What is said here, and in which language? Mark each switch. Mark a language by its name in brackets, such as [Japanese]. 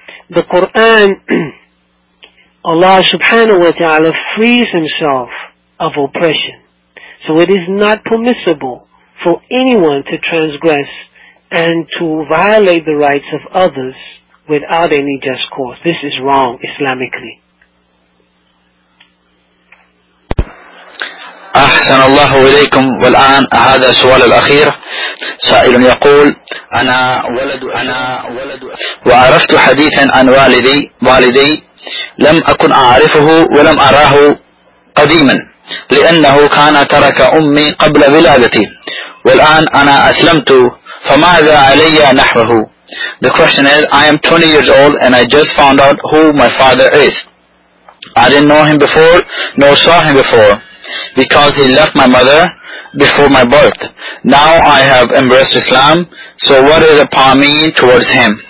[English] The Quran, Allah subhanahu wa ta'ala frees himself of oppression. So it is not permissible for anyone to transgress and to violate the rights of others without any just cause. This is wrong Islamically. [Arabic] أحسن الله إليكم والآن هذا السؤال الأخير سائل يقول أنا ولد وعرفت حديثا عن والدي لم أكن أعرفه ولم أراه قديما لأنه كان ترك أمي قبل ولادتي والآن أنا أسلمت فماذا علي نحوه. [English] The question is, I am 20 years old and I just found out who my father is. I didn't know him before nor saw him before, because he left my mother before my birth. Now I have embraced Islam, so what is upon me towards him?